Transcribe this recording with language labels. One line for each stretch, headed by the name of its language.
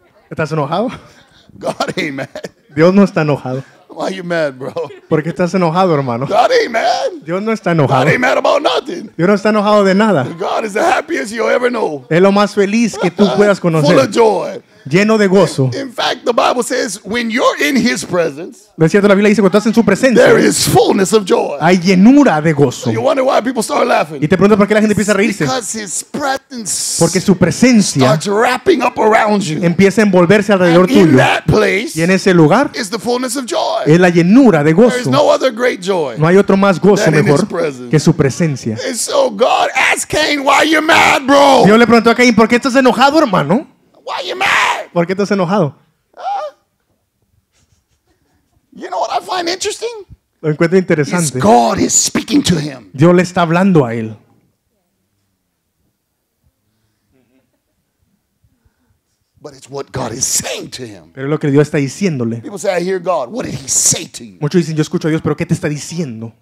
Spanish: ¿Estás enojado?
English: God ain't mad.
Spanish: Dios no está enojado.
English: Why are you mad, bro?
Spanish: ¿Por qué estás enojado, hermano?
English: God ain't mad.
Spanish: Dios no está enojado.
English: God ain't mad about nothing.
Spanish: Dios no está enojado de nada.
English: God is the happiest you'll ever know.
Spanish: Es lo más feliz que tú puedas conocer.
English: Full of joy.
Spanish: Lleno de gozo.
English: In fact, the Bible says, when you're in his presence,
Spanish: de cierto, la Biblia dice, cuando estás en su presencia,
English: there is fullness of joy.
Spanish: Hay llenura de gozo.
English: So you wonder why people start laughing.
Spanish: Y te preguntas por qué la gente empieza a reírse.
English: Because his presence,
Spanish: porque su presencia,
English: starts wrapping up around you.
Spanish: Empieza a envolverse alrededor
English: and
Spanish: tuyo.
English: In that place,
Spanish: y en ese lugar,
English: is the fullness of joy.
Spanish: Es la llenura de gozo.
English: There is no other great joy.
Spanish: No hay otro más gozo mejor que su presencia.
English: And so God asked Cain, why are you mad, bro?
Spanish: Dios le preguntó a Cain, ¿por qué estás enojado, hermano?
English: Why you mad?
Spanish: ¿Por qué estás enojado?
English: You know what I find interesting?
Spanish: Lo encuentro interesante.
English: Is God is speaking to him.
Spanish: Dios le está hablando a él.
English: But it's what God is saying to him.
Spanish: Pero es lo que Dios está diciéndole.
English: People say, I hear God. What did he say to you?
Spanish: Muchos dicen, yo escucho a Dios, pero ¿qué te está diciendo?